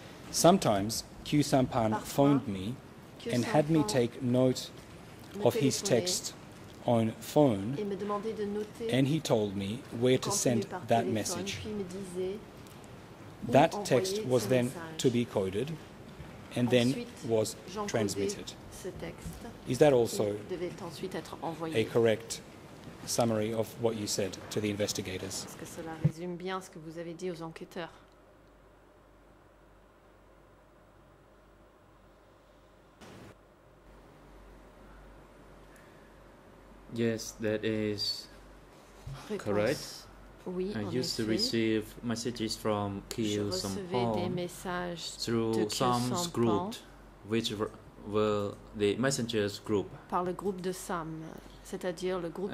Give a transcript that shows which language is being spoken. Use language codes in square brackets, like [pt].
[en] Sometimes Qiu Sampan phoned me and had me take note of his text on phone, and he told me where to send that message. That text was then to be coded and then was transmitted. Is that also a correct summary of what you said to the investigators? [fr] Est-ce que cela résume bien ce que vous avez dit aux enquêteurs? [en] Yes, that is correct. [fr] Oui, [en] I used to receive messages from Qiu Sampan through some group, which were the messengers group. [fr] Par le groupe de Sam, c'est-à-dire le groupe